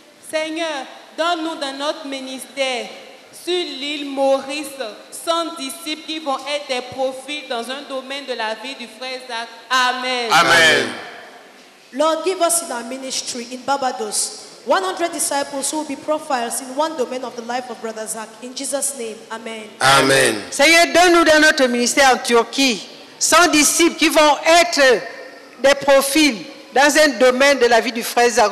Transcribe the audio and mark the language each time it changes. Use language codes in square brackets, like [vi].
[fr] Seigneur, donne-nous dans notre ministère sur l'île Maurice 100 disciples qui vont être des profits dans un domaine de la vie du frère Zach. Amen. Amen. [en] Lord, give us in our ministry in Barbados 100 disciples who will be profiles in one domain of the life of Brother Zach. In Jesus' name, amen. Amen. [fr] Seigneur, donne-nous dans notre ministère en Turquie 100 disciples qui vont être des profils dans un domaine de la vie du frère Zach.